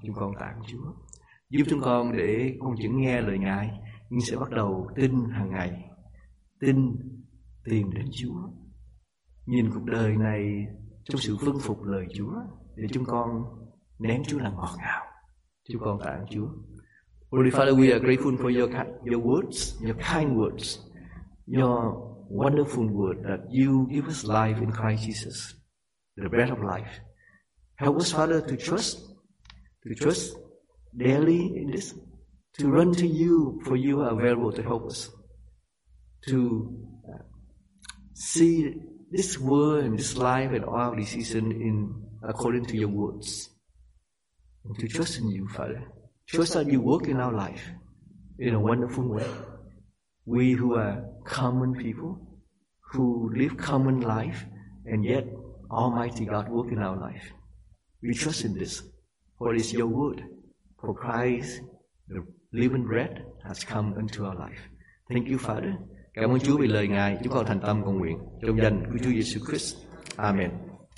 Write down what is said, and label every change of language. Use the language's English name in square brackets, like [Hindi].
[Vietnamese] Chúng con tạ ơn Chúa, giúp chúng con để không chỉ nghe lời Ngài, nhưng sẽ bắt đầu tin hàng ngày, tin tìm đến Chúa, nhìn cuộc đời này trong sự vâng phục lời Chúa, để chúng con nén Chúa là ngọt ngào. Chúng con tạ ơn Chúa. [English] Holy Father, we are grateful for your words, your kind words, your wonderful word that you give us life in Christ Jesus, the bread of life. Help us, Father, to trust daily in this, to run to you, for you are available to help us, to see this world and this life and all our decisions in according to your words, and to trust in you, Father. Trust that you work in our life in a wonderful way. We who are common people, who live common life, and yet Almighty God work in our life. We trust in this, for it is your word. For Christ, the living bread, has come into our life. Thank you, Father. [Vietnamese] Cảm ơn Chúa vì lời Ngài. Chúng con thành tâm cầu nguyện trong danh của Chúa Giêsu Christ. Amen.